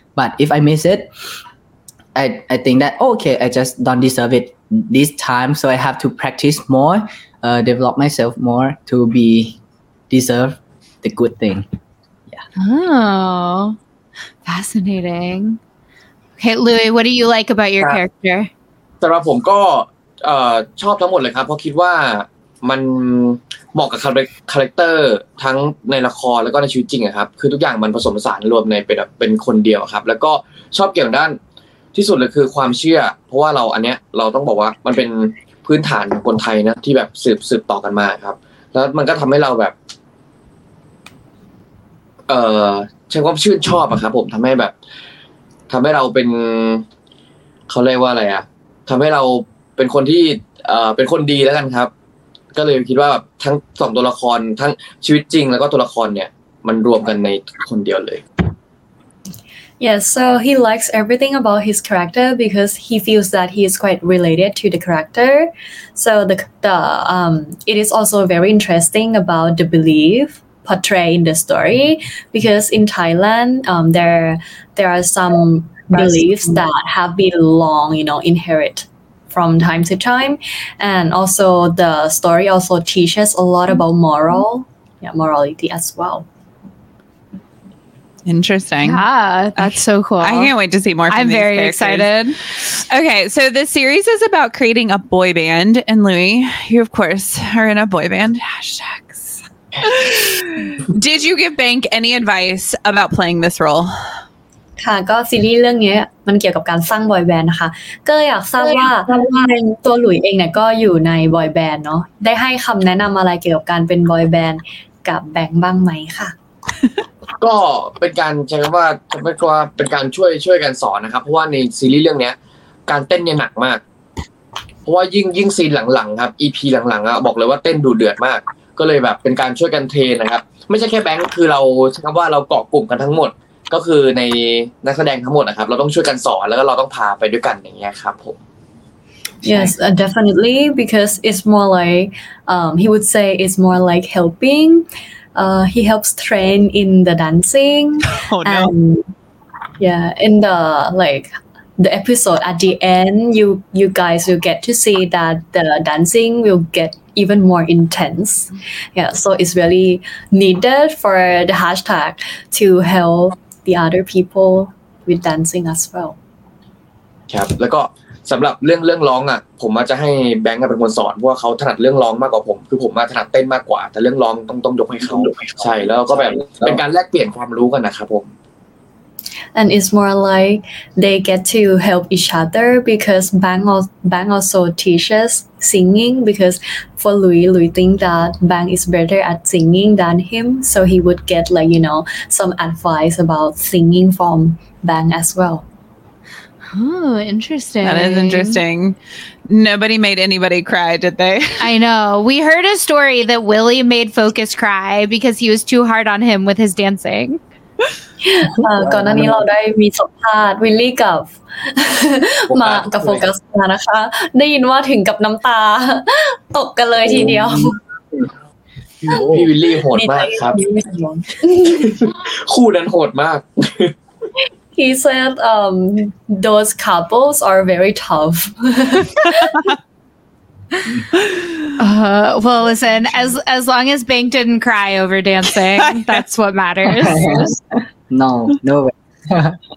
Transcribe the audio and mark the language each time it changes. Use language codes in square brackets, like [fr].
[en] But if I miss it, I think that, okay, I just don't deserve it this time. So I have to practice more, develop myself more to be deserve the good thing. Yeah. Oh, fascinating. Okay, Louis, what do you like about your character? [th] สำหรับผมก็ชอบทั้งหมดเลยครับเพราะคิดว่ามันเหมาะกับคาแรคเตอร์ทั้งในละครแล้วก็ในชีวิตจริงครับคือทุกอย่างมันผสมผสานรวมในเป็นคนเดียวครับแล้วก็ชอบเกี่ยวด้านที่สุดเลยคือความเชื่อเพราะว่าเราอันเนี้ยเราต้องบอกว่ามันเป็นพื้นฐานของคนไทยนะที่แบบสืบต่อกันมาครับแล้วมันก็ทำให้เราแบบ ใช้ความชื่นชอบครับผมทำให้เราเป็นเขาเรียกว่าอะไรอ่ะทำให้เราเป็นคนที่เป็นคนดีแล้วกันครับก็เลยคิดว่าแบบทั้งสองตัวละครทั้งชีวิตจริงแล้วก็ตัวละครเนี่ยมันรวมกันในคนเดียวเลย [en] Yes so he likes everything about his character because he feels that he is quite related to the character so the it is also very interesting about the belief portrayed in the story because in Thailand there are some beliefs that have been long you know inherit from time to time and also the story also teaches a lot about morality as well interesting yeah that's so cool I can't wait to see more from these very characters. Excited okay so this series is about creating a boy band and Louis you of course are in a boy band hashtags did you give Bank any advice about playing this role [th] ค่ะก็ซีรีส์เรื่องนี้มันเกี่ยวกับการสร้างบอยแบนด์นะคะก็อยากทราบว่าตัวหลุยเองเนี่ยก็อยู่ในบอยแบนด์เนาะได้ให้คำแนะนำอะไรเกี่ยวกับการเป็นบอยแบนด์กับแบงค์บ้างไหมค่ะ ก็เป็นการใช้คำว่าทำให้ว่าเป็นการช่วยกันสอนนะครับเพราะว่าในซีรีส์เรื่องนี้การเต้นเนี่ยหนักมากเพราะว่ายิ่งซีนหลังๆครับ EP หลังๆอ่ะบอกเลยว่าเต้นดูเดือดมากก็เลยแบบเป็นการช่วยกันเทรนนะครับไม่ใช่แค่แบงค์คือเราใช้คำว่าเราเกาะกลุ่มกันทั้งหมดก็คือในนักแสดงทั้งหมดนะครับเราต้องช่วยกันสอนแล้วก็เราต้องพาไปด้วยกันอย่างเงี้ยครับผม [en] Yes definitely because it's more like he would say it's more like helpingHe helps train in the dancing, oh, and no. yeah, in the like the episode at the end, you guys will get to see that the dancing will get even more intense. Yeah, so it's really needed for the hashtag to help the other people with dancing as well. [th] ครับแล้วก็สำหรับเรื่องร้องอ่ะผมอาจจะให้แบงค์เป็นคนสอนเพราะเขาถนัดเรื่องร้องมากกว่าผมคือผมมาถนัดเต้นมากกว่าแต่เรื่องร้องต้องยกให้เขาใช่แล้วก็แบบเป็นการแลกเปลี่ยนความรู้กันนะครับผม [en] and it's more like they get to help each other because bang also teaches singing because for Louis think that bang is better at singing than him so he would get like you know some advice about singing from bang as well Oh, interesting. That is interesting. Nobody made anybody cry, did they? I know. We heard a story that Willie made Focus cry because he was too hard on him with his dancing. [th] ก่อนหน้านี้เราได้มีสัมภาษณ์ Willie กับมากับ Focus นะคะได้ยินว่าถึงกับน้ำตาตกกันเลยทีเดียว พี่ Willie โหดมากครับคู่นั้นโหดมาก [en] He said, those couples are very tough. well, listen, as long as Bank didn't cry over dancing, that's what matters. No way.